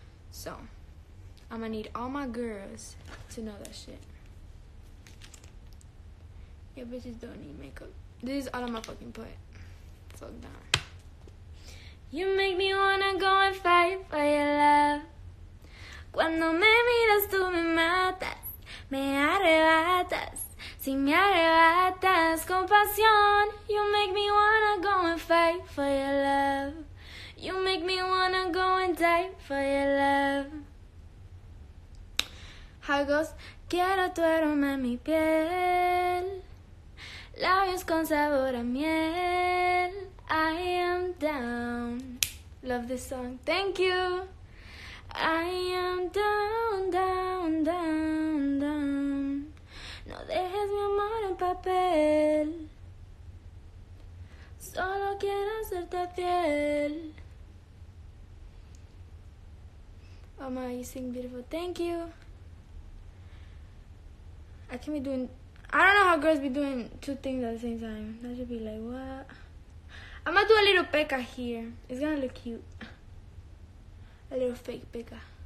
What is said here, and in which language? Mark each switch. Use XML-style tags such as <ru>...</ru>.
<en>So, I'm gonna need all my girls to know that shit. Yeah, bitches don't need makeup. This is out of my fucking butt. Fuck that. You make me wanna go and fight for your love.</en> <es>Cuando me miras tú me matas. Me arrebatas. Si me arrebatas con pasión.</es> <en>You make me wanna go and fight for your love. You make me wanna go and die for your love. How it goes?</en> <es>Quiero tu aroma en mi piel.</es> <en>Labios con sabor a miel. I am down. Love this song. Thank you. I am down, down, down, down.</en> <es>No dejes mi amor en papel. Solo quiero hacerte fiel.</es> <en>Oh my, you sing beautiful. Thank you. I can be doing, I don't know how girls be doing two things at the same time. I should be like, what? I'm gonna do a little peca here. It's gonna look cute. A little fake peca.</en>